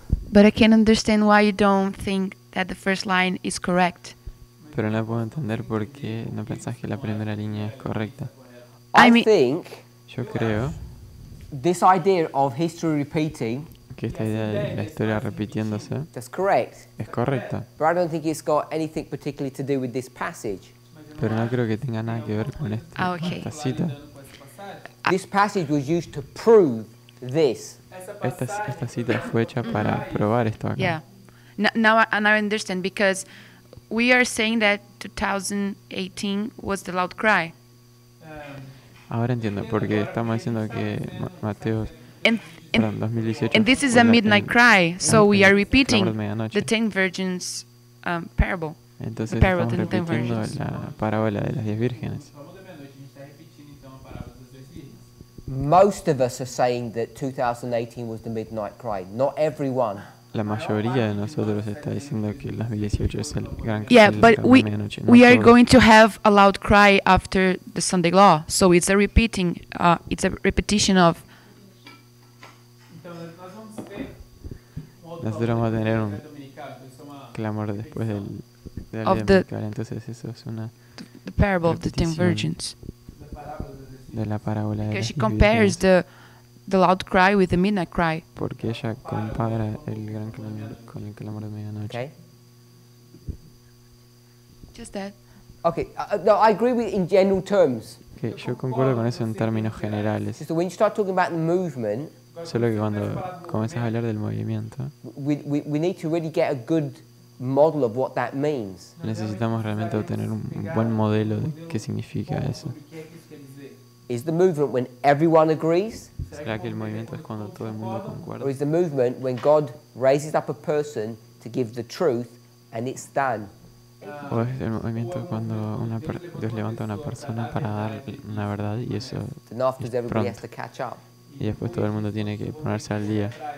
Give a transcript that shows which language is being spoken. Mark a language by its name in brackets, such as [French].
[English] But I can't understand why you don't think that the first line is correct. [Spanish] Pero no puedo entender por qué no pensás que la primera línea es correcta. [English] I mean, think [Spanish] yo creo [English] this idea of history repeating, [Spanish] que esta idea de la historia repitiéndose, [English] that's correct. [Spanish] Es correcta. [English] But I don't think it's got anything particularly to do with this passage. [Spanish] Pero no creo que tenga nada que ver con esta cita. [English] This passage was used to prove this. [Spanish] Esta cita fue hecha para probar esto acá. [English] Yeah. Now I understand, because we are saying that 2018 was the loud cry. [Spanish] Ahora entiendo, porque estamos diciendo que Mateo, perdón, 2018. [English] And this is a midnight cry, so we are repeating the 10 virgins parable. [Spanish] Entonces estamos repitiendo la parábola de las 10 vírgenes. [English] Most of us are saying that 2018 was the midnight cry. Not everyone. [Spanish] La mayoría de nosotros está diciendo que el 2018 es el gran. [English] Yeah, but we are going to have a loud cry after the Sunday law. So it's a repeating. It's a repetition of. [Spanish] Nosotros vamos a tener un clamor después del. [English] Of the, [Spanish] entonces eso es una [English] the parable of the 10 virgins. [Spanish] De la parábola [English] because [Spanish] de [English] she compares [Spanish] virgenes. [English] the loud cry with the midnight cry. [Spanish] Porque ella compara el gran clamor con el clamor de medianoche. [English] Okay. Just that. Okay. No, I agree with in general terms. [Spanish] Okay. Yo concuerdo con eso en términos generales. [English] So when you start talking about the movement. [Spanish] Solo que cuando comienzas a hablar del movimiento. [English] We need to really get a good model of what that means. [Spanish] Necesitamos realmente obtener un buen modelo de qué significa eso. [English] Is the movement when everyone agrees? [Spanish] ¿Será que el movimiento es cuando todo el mundo concuerda? [English] Or is the movement when God raises up a person to give the truth and it's done? [Spanish] ¿O es el movimiento cuando Dios levanta a una persona para dar una verdad y eso es pronto? Y después todo el mundo tiene que ponerse al día.